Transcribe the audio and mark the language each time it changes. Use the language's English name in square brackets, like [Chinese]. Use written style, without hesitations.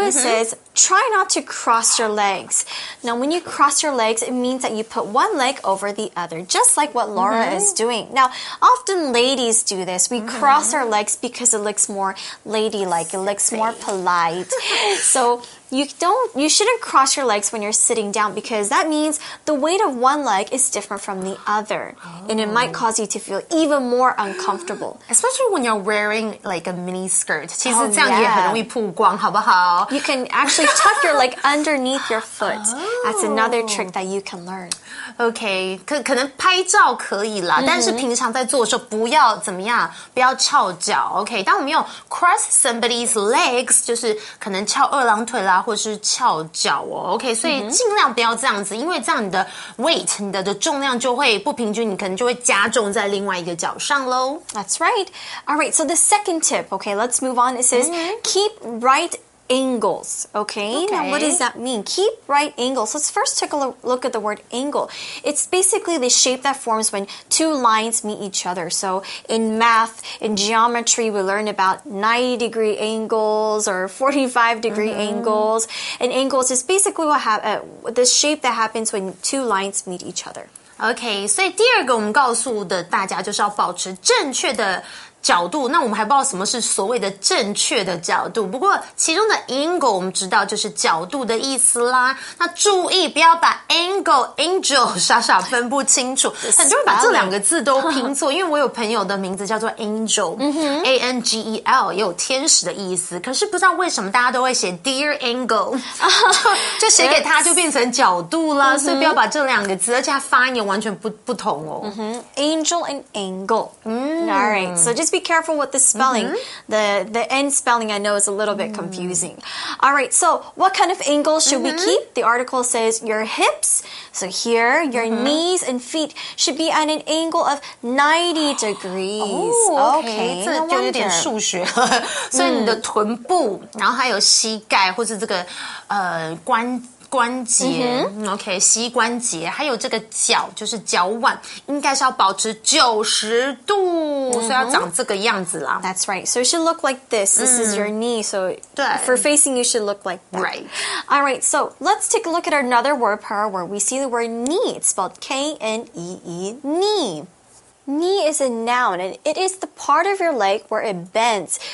[English] It says, try not to cross your legs Now when you cross your legs It means that you put one leg over the other Just like what Laura is doing Now, often ladies do this We cross our legs because it looks more ladylike It looks more polite So You shouldn't cross your legs when you're sitting down because that means the weight of one leg is different from the other. Oh. And it might cause you to feel even more uncomfortable. Especially when you're wearing like a mini skirt. [Chinese] 其实这样也很容易曝光，好不好？ [English] You can actually tuck your leg underneath your foot. That's another trick that you can learn. [Chinese] Okay, 可能拍照可以啦，但是平常在做的时候不要怎么样，不要翘脚。 Okay, 当我们用 [English] cross somebody's legs, [Chinese] 就是可能翘二郎腿啦，或者是翘脚哦。 Okay, 所以尽量不要这样子，因为这样你的 weight, 你的重量就会不平均，你可能就会加重在另外一个脚上咯。 [English] That's right. All right, so the second tip, okay, let's move on. It says, keep right angles. Okay, now what does that mean? Keep right angles. Let's first take a look at the word angle. It's basically the shape that forms when two lines meet each other. So in math, in geometry, we learn about 90 degree angles or 45 degree angles. And angles is basically the shape that happens when two lines meet each other. [Chinese] Okay, 所以第二个我们告诉的大家就是要保持正确的角度，那我们还不知道什么是所谓的正确的角度，不过其中的 angle 我们知道就是角度的意思啦。那注意不要把 angle angel 傻傻分不清楚，很多人把这两个字都拼错，因为我有朋友的名字叫做 angel A-N-G-E-L 也有天使的意思，可是不知道为什么大家都会写 [English] dear angle [Chinese] 就写给他就变成角度啦，所以不要把这两个字，而且他发音也完全 不同哦。 [English] Angel and angle. Alright, so just be careful with the spelling. The N spelling, I know, is a little bit confusing. All right, so what kind of angle should we keep? The article says your hips. So here, your knees and feet should be at an angle of 90 degrees. [Chinese] Okay, 这就是有点数学了。所以你的臀部，然后还有膝盖，或是这个关节OK, 膝关节还有这个脚就是脚腕应该是要保持90度所以要长这个样子啦 [English] That's right, so it should look like this. This is your knee, so for facing you should look like that. Right. Alright, so let's take a look at another word pair where we see the word knee. It's spelled K-N-E-E, knee. Knee is a noun and it is the part of your leg where it bends.